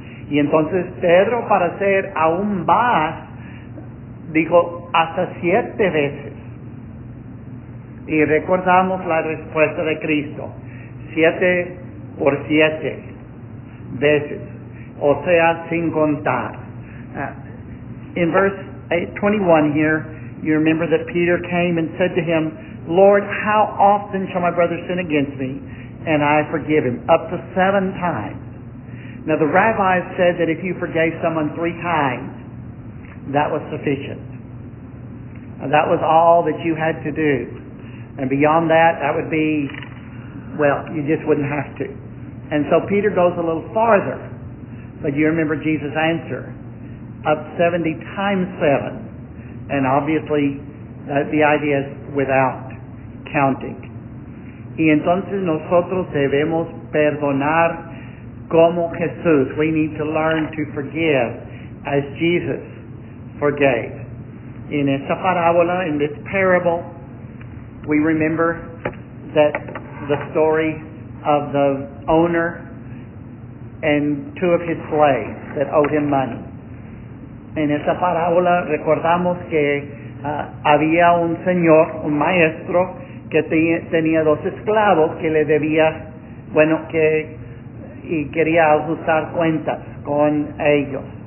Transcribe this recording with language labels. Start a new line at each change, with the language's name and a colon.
Spanish: Y entonces Pedro, para ser aún más, dijo hasta 7 veces. Y recordamos la respuesta de Cristo: 7 por 7 veces, o sea, sin contar.
English: In verse 21 here, you remember that Peter came and said to him, Lord, how often shall my brother sin against me and I forgive him? Up to 7 times. Now the rabbis said that if you forgave someone 3 times, that was sufficient. And that was all that you had to do. And beyond that, that would be, well, you just wouldn't have to. And so Peter goes a little farther, but you remember Jesus' answer, up 70 times 7. And obviously, the idea is without counting.
Spanish: Y entonces nosotros debemos perdonar como Jesús.
English: We need to learn to forgive as Jesus forgave. In
Spanish: esta parábola,
English: in this parable, we remember that the story of the owner and 2 of his slaves that owed him money.
Spanish: En esta parábola recordamos que había un señor, un maestro, que tenía 2 esclavos que le debía, bueno, que y quería ajustar cuentas con ellos.